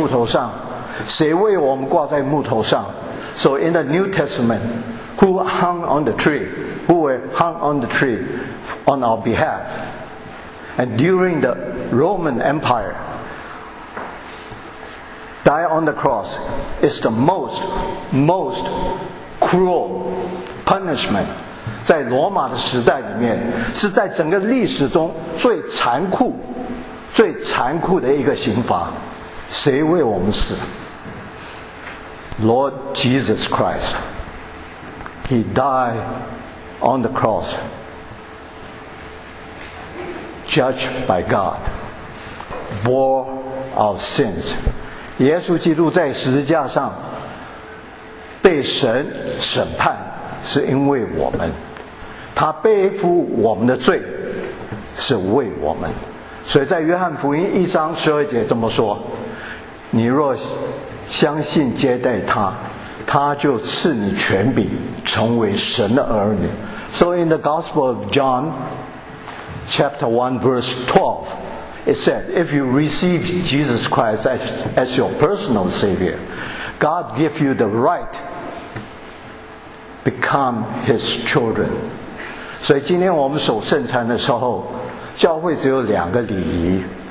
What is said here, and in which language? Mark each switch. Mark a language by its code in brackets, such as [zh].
[zh] 这一段里面讲到挂在木头上，在旧约摩西的律法里面，凡是犯了致死的罪，必须挂在木头上处死，之后挂在木头上。圣经说那是神所咒诅的，所以在新约的时候，谁挂在木头上，谁为我们挂在木头上。 [en] So in the New Testament, who hung on the tree, who were hung on the tree on our behalf. And during the Roman Empire, die on the cross is the most cruel punishment. [zh] 在罗马的时代里面，是在整个历史中最残酷的一个刑罚。谁为我们死？ [en] Lord Jesus Christ, He died on the cross, judged by God, bore our sins. [zh] 耶稣基督在十字架上被神审判，是因为我们，他背负我们的罪，是为我们。所以在约翰福音一章十二节这么说，你若相信接待他，他就赐你权柄成为神的儿女。 [en] So in the Gospel of John chapter 1 verse 12 it said, if you receive Jesus Christ as your personal savior, God give you the right become his children. [zh] 所以今天我们守圣餐的时候，教会只有两个礼仪。